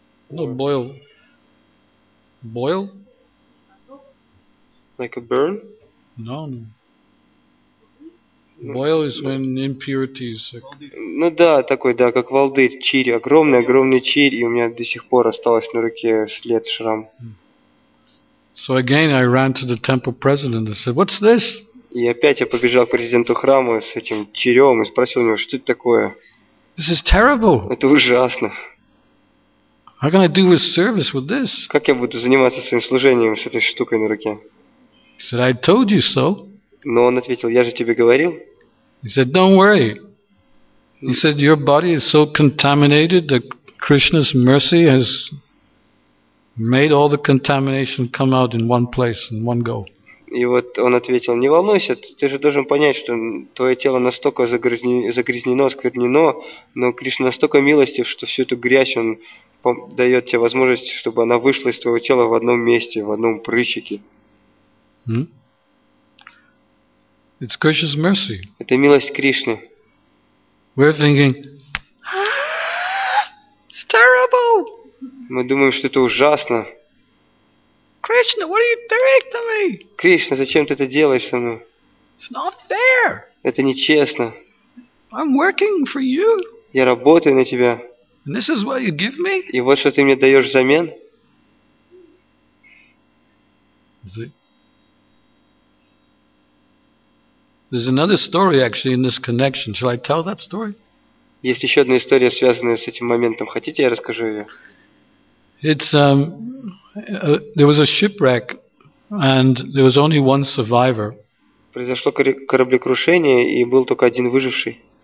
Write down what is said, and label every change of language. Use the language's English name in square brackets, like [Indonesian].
[English] No, boil. Boil? Like a burn? No, no. Boil is when impurities. [Russian] Ну да, такой, да, как волдырь, чирь, огромный чирь, и у меня до сих пор осталось на руке след, шрам. [English] So again I ran to the temple president and said, "What's this?" [Russian] И опять я побежал к президенту храма с этим чирем и спросил у него: что это такое? [English] This is terrible. [Russian] Это ужасно. [English] How can I do with service with this? [Russian] Как я буду заниматься своим служением с этой штукой на руке? [English] He said, "I told you so." [Russian] Но он ответил: я же тебе говорил. [English] He said, "Don't worry." He said, "Your body is so contaminated that Krishna's mercy has made all the contamination come out in one place, in one go." [Russian] И вот он ответил: не волнуйся, ты же должен понять, что твое тело настолько загрязнено, осквернено, но Кришна настолько милостив, что всю эту грязь он дает тебе возможность, чтобы она вышла из твоего тела в одном месте, в одном прыщике. [English] It's Krishna's mercy. [Russian] Это милость Кришны. [English] We're thinking, it's terrible. [Russian] Мы думаем, что это ужасно. [English] Krishna, what are you doing to me? [Russian] Кришна, зачем ты это делаешь со мной? [English] It's not fair. [Russian] Это нечестно. [English] I'm working for you. [Russian] Я работаю на тебя. [English] And this is what you give me? [Russian] И вот что ты мне даешь взамен? [English] There's another story actually in this connection. Shall I tell that story? [Russian] Есть еще одна история, связанная с этим моментом. Хотите, я расскажу ее? [English] It's there was a shipwreck, and there was only one survivor. [Russian] Произошло кораблекрушение, и был только один выживший.